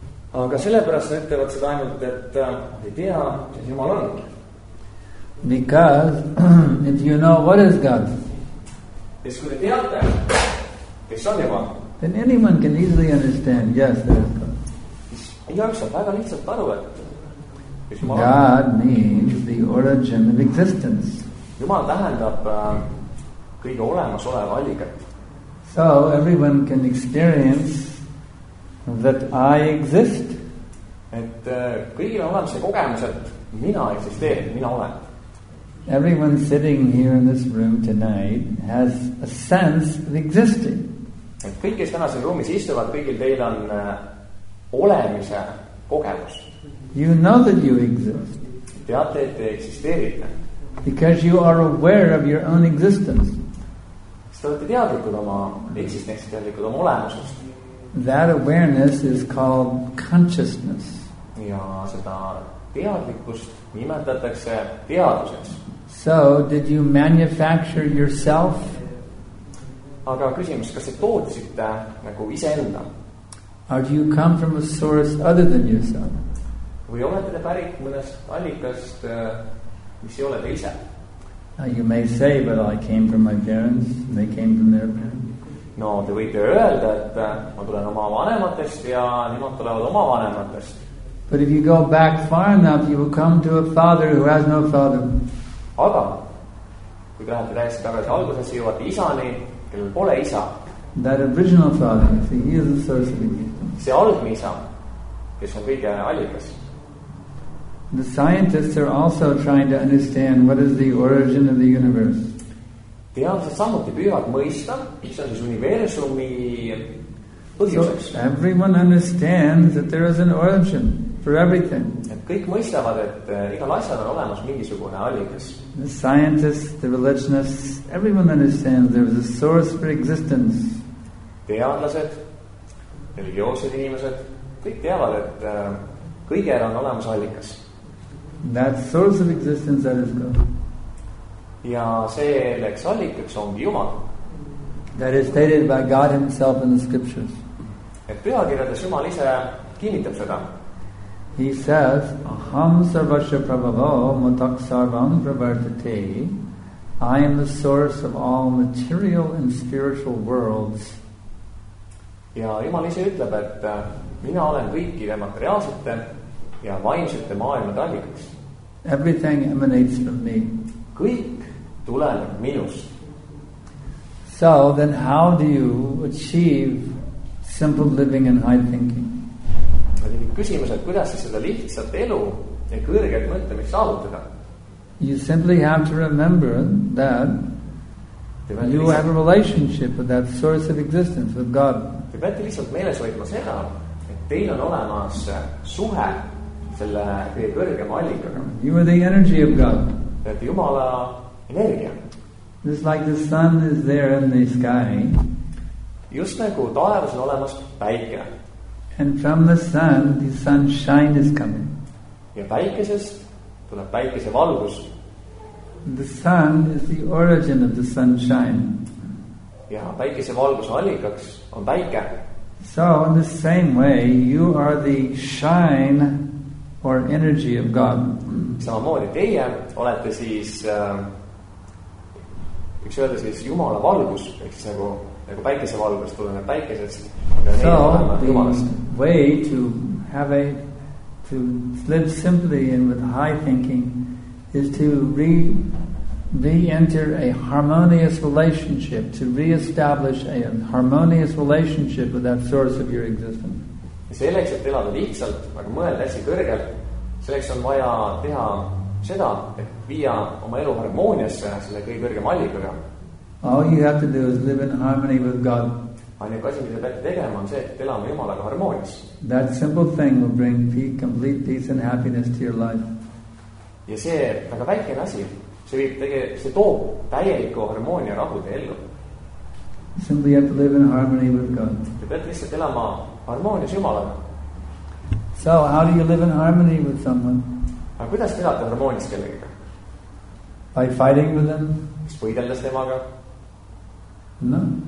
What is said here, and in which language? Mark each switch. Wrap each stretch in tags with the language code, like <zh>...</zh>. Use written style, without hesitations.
<en>Because if you know what is God, then anyone can easily understand, yes, there is God. God means the origin of existence.</en> <et>Jumal tähendab kõige olemasoleva allikat.</et> <en>So everyone can experience that I exist.</en> <et>Et kõigil on see kogemus, et mina eksisteerin, mina olen.</et> <en>Everyone sitting here in this room tonight has a sense of existing.</en> <et>Et kõik, kes täna siin ruumis istuvad, kõigil teil on olemise kogemus.</et> <en>You know that you exist.</en> <et>Teate, et te eksisteerite.</et> <en>Because you are aware of your own existence.</en> <et>Sest olete teadlikud oma eksistentsist, teadlikud oma olemusest.</et> <en>That awareness is called consciousness.</en> <et>Ja seda teadlikust nimetatakse teaduseks.</et> <en>So, did you manufacture yourself?</en> <et>Aga küsimus, kas te tootsite nagu ise enda?</et> <en>Or do you come from a source other than yourself?</en> <et>Või olete te pärit mõnest allikast, mis ei ole te ise?</et> <en>Now you may say, but I came from my parents, they came from their parents.</en> <et>No, te võite öelda, et ma tulen oma vanematest ja nemad tulevad oma vanematest.</et> <en>But if you go back far enough, you will come to a father who has no father.</en> <et>Aga, kui lähete täiesti tagasi alguses, jõuate isani, kellel pole isa.</et> <en>That original father, see, he is the source of existence.</en> <et>See algne isa, kes on kõige allikas.</et> <en>The scientists are also trying to understand what is the origin of the universe.</en> <et>Teadlased samuti püüavad mõista, mis on siis universumi põhjuseks.</et> <en>So everyone understands that there is an origin for everything.</en> <et>Et kõik mõistavad, et igal asjal on olemas mingisugune allikas.</et> <en>The scientists, the religionists, everyone understands there is a source for existence.</en> <et>Teadlased, religioosed inimesed, kõik teavad, et kõigel on olemas allikas.</et> <en>That source of existence that is God.</en> <et>Ja selleks allikaks ongi Jumal.</et> <en>That is stated by God himself in the scriptures.</en> <et>Et pühakirjades Jumal ise kinnitab seda.</et> <en>He says,</en> <sa>Aham sarvasya prabhavo matak sarvam pravartate.</sa> <en>I am the source of all material and spiritual worlds.</en> <et>Ja Jumal ise ütleb, et mina olen kõikide materiaalsete ja vaimsete maailmade allikaks.</et> <en>Everything emanates from me.</en> <et>Kõik tuleneb minust.</et> <en>So then how do you achieve simple living and high thinking?</en> <et>Küsimus, et kuidas siis seda lihtsalt elu ja kõrget mõtlemist saavutada?</et> <en>You simply have to remember that you have a relationship with that source of existence, with God.</en> <et>Te peate lihtsalt meeles hoidma seda, et teil on olemas suhe selle kõige kõrgema allikaga.</et> <en>You are the energy of God.</en> <et>Et Jumala energia.</et> <en>Just like the sun is there in the sky.</en> <et>Just nagu taevas on olemas päike.</et> <en>And from the sunshine is coming.</en> <et>Ja päikesest tuleb päikese valgus.</et> <en>The sun is the origin of the sunshine.</en> <et>Ja päikese valguse allikaks on päike.</et> <en>So in the same way, you are the shine or energy of God.</en> <et>Samamoodi teie olete siis üks öelda siis Jumala valgus, ehk siis nagu päikese valgus tuleneb päikesest.</et> <en>So the way to have to live simply and with high thinking is to re-enter a harmonious relationship, to re-establish a harmonious relationship with that source of your existence.</en> <et>Ja selleks, et elada lihtsalt, aga mõelda hästi kõrgelt, selleks on vaja teha seda, et viia oma elu harmooniasse selle kõige kõrgema allikaga.</et> <en>All you have to do is live in harmony with God.</en> <et>Ainuke asi, mida peate tegema, on see, et elame Jumalaga harmoonis.</et> <en>That simple thing will bring complete peace and happiness to your life.</en> <et>Ja see väga väike asi, see toob täieliku harmoonia rahude ellu.</et> <en>Simply have to live in harmony with God.</en> <et>Te peate lihtsalt elama harmoonias Jumalaga.</et> <en>So, how do you live in harmony with someone?</en> <et>Aga kuidas te elate harmoonis kellegiga?</et> <en>By fighting with them?</en> <et>Kas võideldes temaga?</et> <en>No.</en>